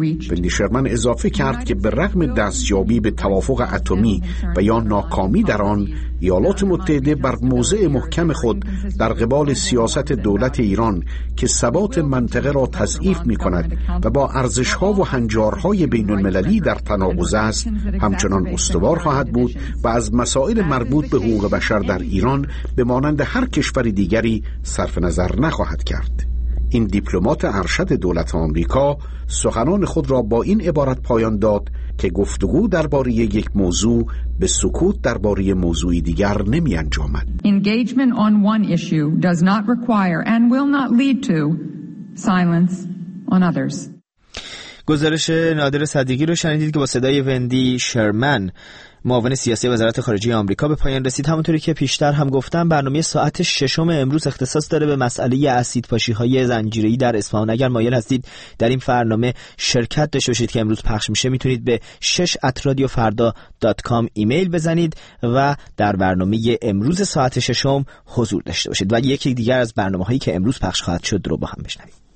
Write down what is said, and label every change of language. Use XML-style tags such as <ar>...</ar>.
<fa>وندی شرمن اضافه کرد که به رغم دستیابی به توافق اتمی و یا ناکامی در آن، ایالات متحده بر موضع محکم خود در قبال سیاست دولت ایران که ثبات منطقه را تضعیف می کند و با ارزش‌ها و هنجارهای بین المللی در تناقض است همچنان استوار خواهد بود و از مسائل مربوط به حقوق بشر در ایران به مانند هر کشور دیگری صرف نظر نخواهد کرد. این دیپلمات ارشد دولت آمریکا سخنان خود را با این عبارت پایان داد که گفتگو درباره یک موضوع به سکوت درباره موضوعی دیگر نمی انجامد.</fa> <en>Engagement on one issue does not require and will not lead to silence on others.</en> <fa>گزارش نادر صدیقی رو شنیدید که با صدای وندی شرمن، معاون سیاسی وزارت خارجه آمریکا، به پایان رسید. همونطوری که پیشتر هم گفتم، برنامه ساعت ششم امروز اختصاص داره به مسئله اسیدپاشی‌های زنجیره‌ای در اصفهان. اگر مایل هستید در این برنامه شرکت داشته باشید که امروز پخش میشه، میتونید به 6@radiofarda.com ایمیل بزنید و در برنامه امروز ساعت ششم حضور داشته باشید. و یکی دیگر از برنامه‌هایی که امروز پخش خواهد شد رو با هم بشنوید.</fa>